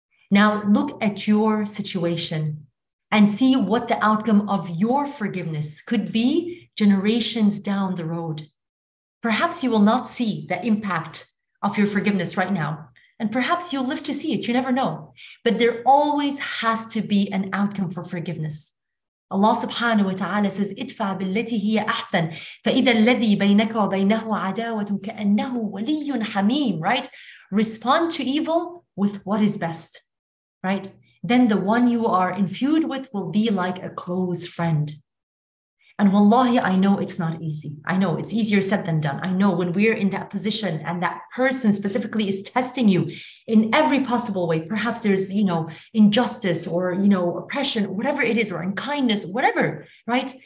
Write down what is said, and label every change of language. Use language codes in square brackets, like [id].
[en] Now look at your situation and see what the outcome of your forgiveness could be generations down the road. Perhaps you will not see the impact of your forgiveness right now, and perhaps you'll live to see it, you never know. But there always has to be an outcome for forgiveness. Allah subhanahu wa ta'ala says, [ar] اِدْفَعْ بِالَّتِي هِيَ أَحْسَنْ فَإِذَا الَّذِي بَيْنَكَ وَبَيْنَهُ عَدَاوَةٌ كَأَنَّهُ وَلِيٌّ حَمِيمٌ, [en] right? Respond to evil with what is best, right? Then the one you are infused with will be like a close friend. And wallahi, I know it's not easy. I know it's easier said than done. I know when we're in that position and that person specifically is testing you in every possible way, perhaps there's, you know, injustice or, you know, oppression, whatever it is, or unkindness, whatever, right?